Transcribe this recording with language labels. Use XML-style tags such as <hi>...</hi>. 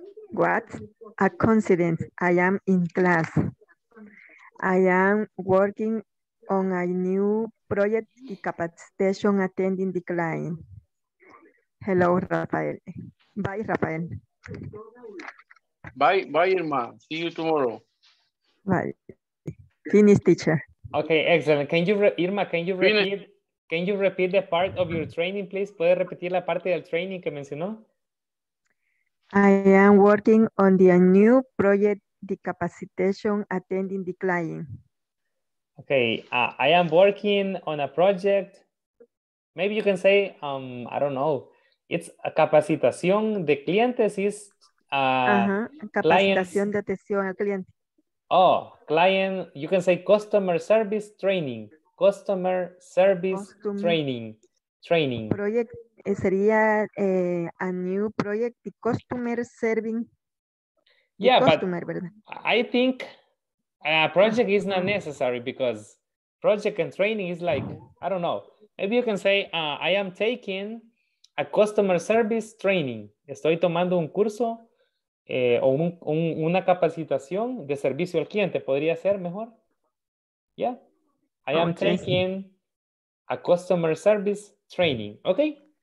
<en>What? A coincidence. I am in class. I am working on a new project capacitation attending the client. Hello, Rafael. Bye, Rafael. Bye, bye, Irma. See you tomorrow. Bye. Finish, teacher. Okay, excellent. Can you, Irma, can you repeat? Finish. Can you repeat the part of your training, please?</en> <es>¿Puedes repetir la parte del training que mencionó?</es> <en>I am working on the new project, the capacitation attending the client. Okay, I am working on a project. Maybe you can say, I don't know.</en> <es>It's a capacitación de clientes is capacitación de atención al cliente.</es> <en>Oh, client, you can say customer service training. Customer service training. Project sería a new project, the customer serving. The yeah, customer, but ¿verdad? I think a project is not necessary because project and training is like, I don't know. Maybe you can say, I am taking a customer service training.</en> <es>Estoy tomando un curso o una capacitación de servicio al cliente.</es> <en>¿Podría ser mejor? Yeah. I am taking a customer service training, okay?</en>